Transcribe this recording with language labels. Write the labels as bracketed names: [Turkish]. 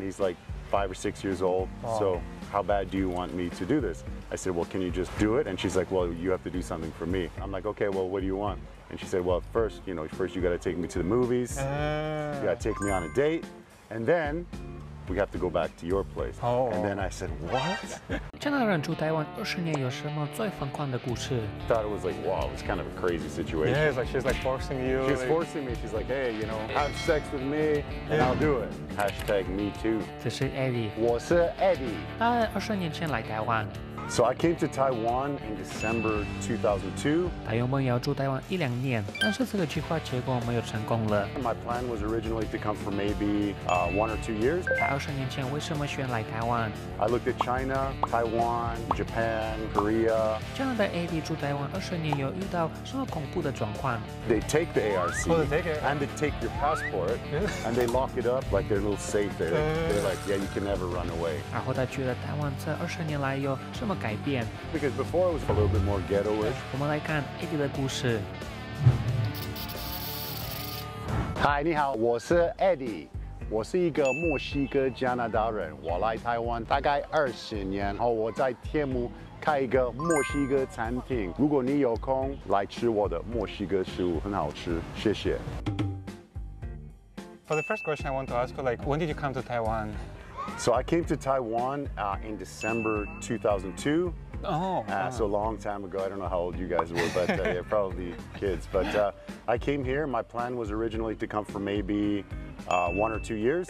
[English] He's like 5 or 6 years old. So how bad do you want me to do this? I said, well, can you just do it? And she's like, well, you have to do something for me. I'm like, okay, well, what do you want? And she said, well, first, you got to take me to the movies. You got to take me on a date. And then we have to go back to your place. And then I said, what? [Chinese] 加拿大人住台湾20年，有什么最疯狂的故事？ [English] Thought it was like, wow, it was kind of a crazy situation. Yeah, it's like she's like forcing you. She's forcing me. She's like, hey, you know, have sex with me, and I'll do it. Hashtag me too. [Chinese] 这是 Eddy. 我是 Eddy. 他20年前来台湾。 [English] So I came to Taiwan in December 2002. [Chinese] 朋友们要住台湾一两年，但是这个计划结果没有成功了。 [English] My plan was originally to come for maybe 1 or 2 years. [Chinese] 20年前为什么选来台湾 [English] ？I looked at China, Taiwan, Japan, Korea. [Chinese] 加拿大 AD 住台湾20年，有遇到什么恐怖的状况 [English] ？They take the ARC and they take your passport and they lock it up like they're a little safe there. They're like, yeah, you can never run away. [Chinese] 然后他觉得台湾这20年来有什么改变 [English] because before it was a little bit more ghetto-ish. [Chinese] 我们来看 Eddy 的故事。 Hi， 你好，我是 Eddy， 我是一个墨西哥加拿大人，我来台湾大概20年，然后我在天母开一个墨西哥餐厅。如果你有空来吃我的墨西哥食物，很好吃，谢谢。 [English] For the first question, I want to ask you, like, when did you come to Taiwan? So I came to Taiwan in December 2002. Oh, so a long time ago. I don't know how old you guys were, but yeah, probably kids. But I came here. My plan was originally to come for maybe 1 or 2 years.